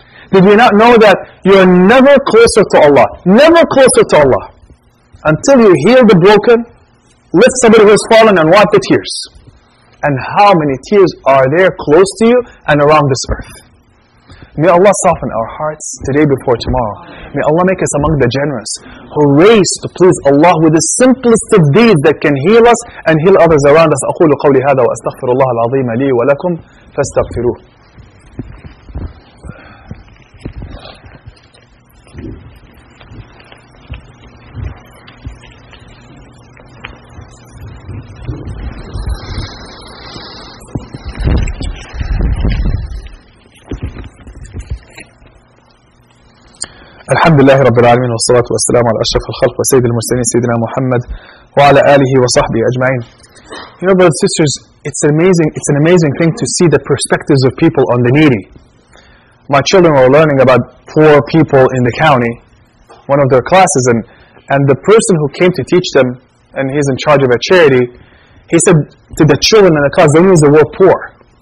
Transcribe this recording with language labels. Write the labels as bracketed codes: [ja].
[en] Did you not know that you're never closer to Allah, never closer to Allah, until you heal the broken, lift somebody who has fallen and wipe the tears. And how many tears are there close to you and around this earth? May Allah soften our hearts today before tomorrow. May Allah make us among the generous who race to please Allah with the simplest of deeds that can heal us and heal others around us. [ar] أقول قولي هذا وأستغفر الله العظيم لي ولكم فاستغفروه. الحمد لله رب العالمين والصلاة والسلام على أشرف الخلق وسيد المرسلين سيدنا محمد وعلى آله وصحبه أجمعين. [en] You know, brothers and sisters, it's an amazing thing to see the perspectives of people on the needy. My children were learning about poor people in the county, one of their classes, and the person who came to teach them, and he's in charge of a charity, he said to the children in the class, don't use the word poor.